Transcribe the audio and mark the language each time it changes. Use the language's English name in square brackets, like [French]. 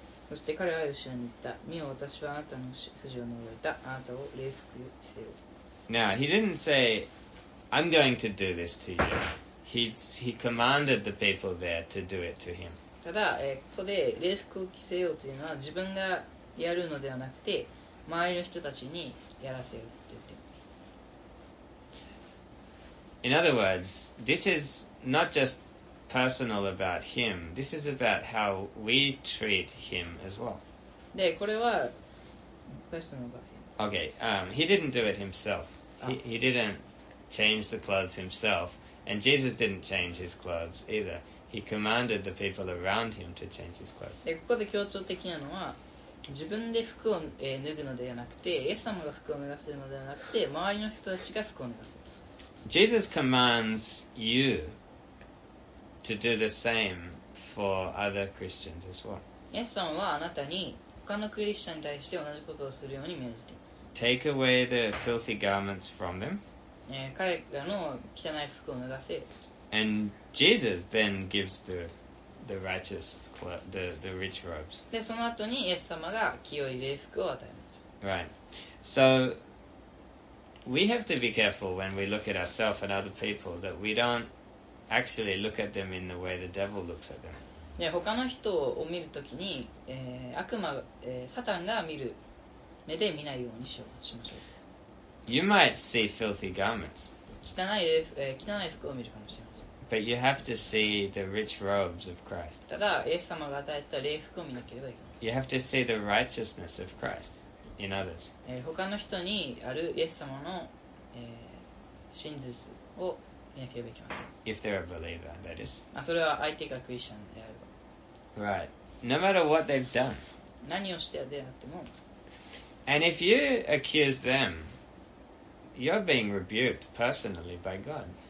[Japanese] そして彼は後ろに行った。見よ、私はあなたの筋を脱がれた。あなたを礼服せよ。 [English] Now, he didn't say, I'm going to do this to you. He commanded the people there to do it to him. [Japanese] ただ、ここで礼服を着せようというのは自分がやるのではなくて、周りの人たちにやらせようと言っています。 [English] In other words, this is not justpersonal about him. This is about how we treat him as well. [Japanese] で、これは [English] personal about him. Okay, he didn't do it himself. He didn't change the clothes himself. And Jesus didn't change his clothes either. He commanded the people around him to change his clothes. [Japanese] で、ここで強調的なのは、自分で服を脱ぐのではなくて、イエス様が服を脱がせるのではなくて、周りの人たちが服を脱がせる。 [English] Jesus commands youTo do the same for other Christians as well. [Japanese] イエス様はあなたに他のクリスチャンに対して同じことをするように命じています。 [English] Take away the filthy garments from them. [Japanese] 彼らの汚い服を脱がせ。 [English] And Jesus then gives the righteous the rich robes. [Japanese] でその後にイエス様が清い礼服を与えます。 [English] Right. So we have to be careful when we look at ourselves and other people that we don't. Actually, look at them in the way the devil looks at them. [Japanese] Yeah, 他の人を見るときに、悪魔、サタンが見る目で見ないようにしましょう。 [English] You might see filthy garments. [Japanese] 汚い服を見るかもしれません。 [English] But you have to see the rich robes of Christ. [Japanese] ただ、イエス様が与えた礼服を見なければいけない。 [English] You have to see the righteousness of Christ in others. [Japanese] 他の人にあるイエス様の、真実を [English] If they're a believer, that is. [Japanese] それは相手がクリスチャンであれば。 [English] Right. No matter what they've done. [Japanese] 何をしてであっても。 [English] And if you accuse them, you're being rebuked personally by God.